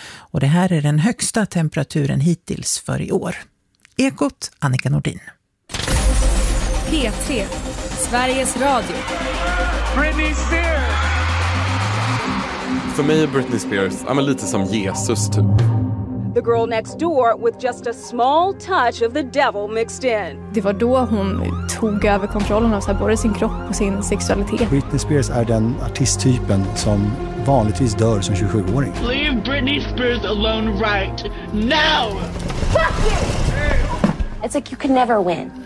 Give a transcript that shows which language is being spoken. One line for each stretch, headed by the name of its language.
Swedish: Och det här är den högsta temperaturen hittills för i år. Ekot, Annika Nordin. P3, Sveriges Radio. Britney Spears! För mig är Britney Spears lite som Jesus typ.
English: The girl next door with just a small touch of the devil mixed in.
Swedish: Det var då hon tog över kontrollen av både sin kropp och sin sexualitet. Britney Spears är den artisttypen som vanligtvis dör som 27-åring.
English: Leave Britney Spears alone right now! Fuck you! It's like you can never win.